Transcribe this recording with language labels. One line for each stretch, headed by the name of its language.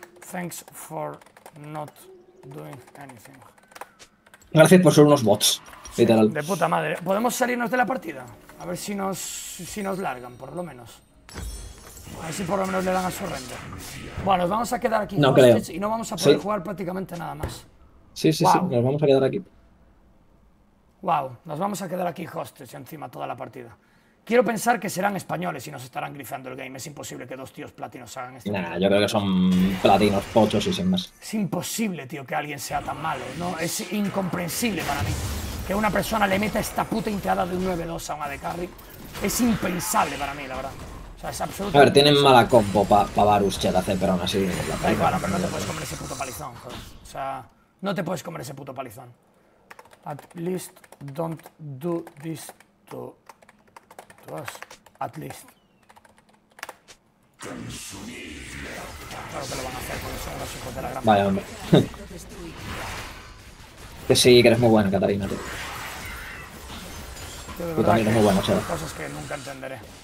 English: Thanks for not doing anything.
Spanish: Gracias por ser unos bots, literal. De puta madre. ¿Podemos salirnos de la partida? A ver si nos largan, por lo menos. A ver si por lo menos le dan a su render. Bueno, nos vamos a quedar aquí. No creo. Y no vamos a poder jugar prácticamente nada más. Sí, nos vamos a quedar aquí. Wow, nos vamos a quedar aquí hostage encima toda la partida. Quiero pensar que serán españoles y nos estarán grifando el game. Es imposible que dos tíos platinos hagan esto. Nah, yo creo que son platinos, pochos y sin más. Es imposible, tío, que alguien sea tan malo, ¿no? Es incomprensible para mí que una persona le meta esta puta inteada de un 9-2 a una de carry. Es impensable para mí, la verdad. O sea, es absolutamente... a ver, tienen mala compo para pa Varus, Chetace, pero aún así... Da igual, pero no te puedes comer ese puto palizón, joder. O sea, no te puedes comer ese puto palizón.
English: At least don't do this to us. At least.
Spanish: Claro que lo van a hacer porque son los hijos de la gran... vaya, hombre. Que sí, que eres muy buena, Katarina, tú. Tú también eres muy buena, chaval. Cosas que nunca entenderé.